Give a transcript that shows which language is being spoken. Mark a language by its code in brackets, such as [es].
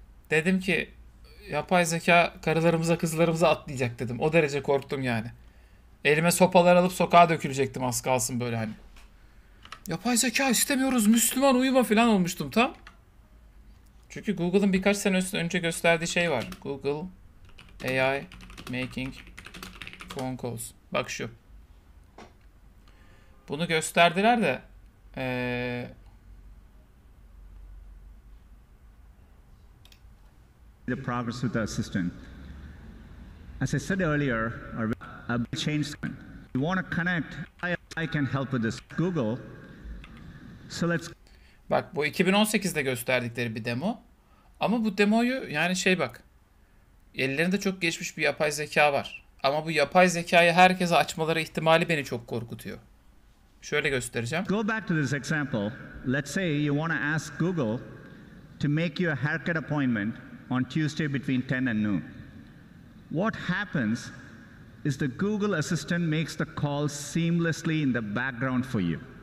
[tr] Dedim ki yapay zeka karılarımıza kızlarımıza atlayacak dedim. O derece korktum yani. Elime sopalar alıp sokağa dökülecektim az kalsın böyle hani. Yapay zeka istemiyoruz Müslüman uyuma falan olmuştum tam. Çünkü Google'ın birkaç sene önce gösterdiği şey var. [en] Google AI making phone calls. [tr] Bak şu. Bunu gösterdiler de [en] The progress with the assistant. As I said earlier, our change. We want to connect. I can help with this. Google. So let's. [tr] Bak bu 2018'de gösterdikleri bir demo. Ama bu demoyu yani şey bak. Ellerinde çok geçmiş bir yapay zeka var. Ama bu yapay zekayı herkese açmaları ihtimali beni çok korkutuyor. Şöyle göstereceğim. [en] Go back to this example. Let's say you want to ask Google to make you a haircut appointment on Tuesday between 10 and noon. What happens is the Google Assistant makes the call seamlessly in the background for you.